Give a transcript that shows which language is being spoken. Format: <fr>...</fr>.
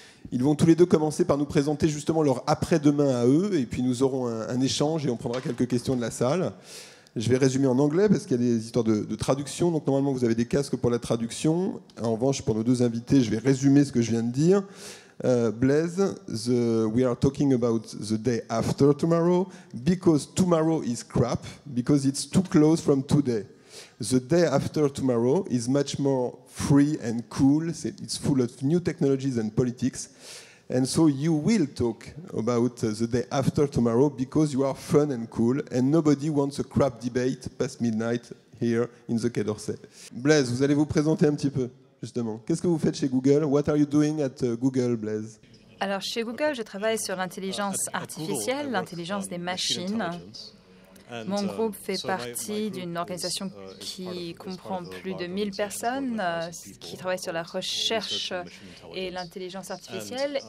<fr>Ils vont tous les deux commencer par nous présenter justement leur après-demain à eux, et puis nous aurons un échange et on prendra quelques questions de la salle. Je vais résumer en anglais parce qu'il y a des histoires de traduction, donc normalement vous avez des casques pour la traduction. En revanche, pour nos deux invités, je vais résumer ce que je viens de dire.</fr> <en>Blaise, we are talking about the day after tomorrow because tomorrow is crap because it's too close from today. The day after tomorrow is much more free and cool. It's full of new technologies and politics. And so you will talk about the day after tomorrow because you are fun and cool and nobody wants a crap debate past midnight here in the Quai d'Orsay.</en> <fr>Blaise, vous allez vous présenter un petit peu. Justement, qu'est-ce que vous faites chez Google?</fr> <en>What are you doing at Google, Blaise?</en> <fr>Alors, chez Google, je travaille sur l'intelligence artificielle, l'intelligence des machines. Mon groupe fait partie d'une organisation qui comprend plus de 1000 personnes qui travaillent sur la recherche et l'intelligence artificielle.</fr>